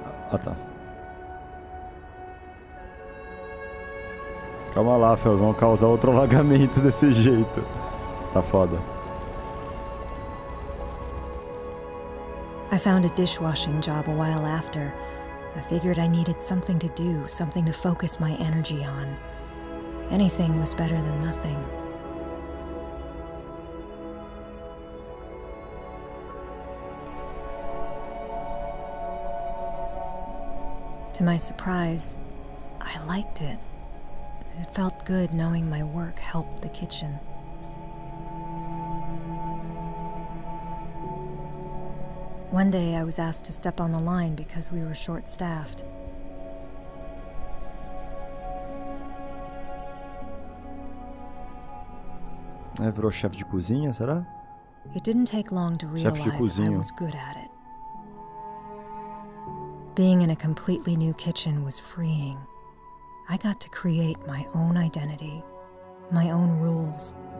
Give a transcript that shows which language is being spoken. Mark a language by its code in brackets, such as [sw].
[pt] Ah, tá. Calma lá, Felps. Vão causar outro alagamento desse jeito. Tá foda. [en] I found a dishwashing job a while after. I figured I needed something to do, something to focus my energy on. Anything was better than nothing. To my surprise, I liked it. It felt good knowing my work helped the kitchen. One day I was asked to step on the line because we were short-staffed. [pt] É, virou chefe de cozinha, será? [en] It didn't take long to realize I was good at it. Being in a completely new kitchen was freeing. I got to create my own identity, my own rules.